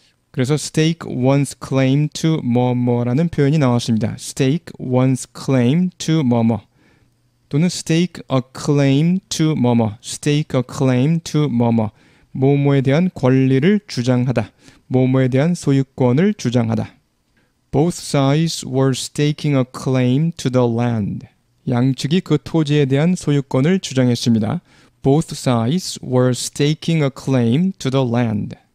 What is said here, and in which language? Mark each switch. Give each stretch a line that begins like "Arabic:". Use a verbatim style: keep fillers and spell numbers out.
Korean: 그래서 stake one's claim to 뭐뭐라는 표현이 나왔습니다. stake one's claim to 뭐뭐 또는 stake a claim to 뭐뭐 stake a claim to 뭐뭐 뭐뭐에 대한 권리를 주장하다. 뭐뭐에 대한 소유권을 주장하다.
English: Both sides were staking a claim to the land.
Korean: 양측이 그 토지에 대한 소유권을 주장했습니다.
English: Both sides were staking a claim to the land.